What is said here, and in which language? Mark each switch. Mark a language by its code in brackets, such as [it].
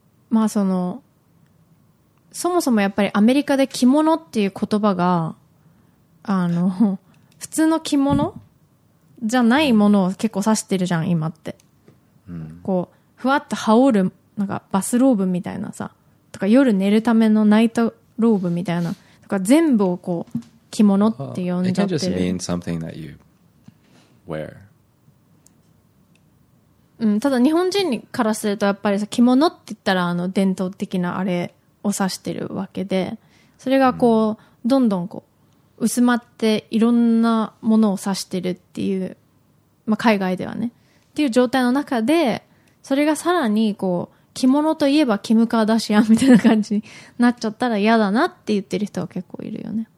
[ja] まあそのそもそもやっぱりアメリカで着物っていう言葉があの普通の着物じゃないものを結構指してるじゃん今って、うん、こうふわっと羽織るなんかバスローブみたいなさとか夜寝るためのナイトローブみたいなとか全部をこう着物って呼んじゃってる。 [en] It can just mean something that you wear. [ja] うん、ただ日本人からするとやっぱりさ着物って言ったらあの伝統的なあれを指してるわけでそれがこう、うん、どんどんこう薄まっていろんなものを指してるっていう、まあ、海外ではねっていう状態の中でそれがさらにこう着物といえばキムカーダシアンみたいな感じになっちゃったら嫌だなって言ってる人は結構いるよね、